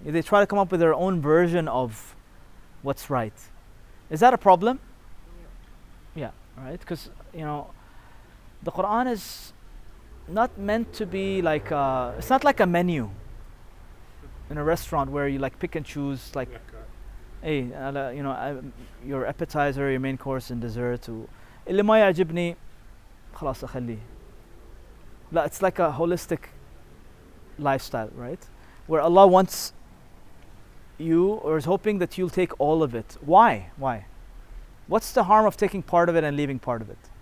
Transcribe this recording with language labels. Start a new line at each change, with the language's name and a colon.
English: They try to come up with their own version of what's right. Is that a problem? Yeah, right? Because, you know, the Qur'an is not meant to be like a, it's not like a menu in a restaurant where you like pick and choose, like, hey, you know, your appetizer, your main course and dessert.
Arabic: اللي ما يعجبني خلاص أخليه.
English: It's like a holistic lifestyle, right? Where Allah wants you, or is hoping that you'll take all of it. Why? Why? What's the harm of taking part of it and leaving part of it?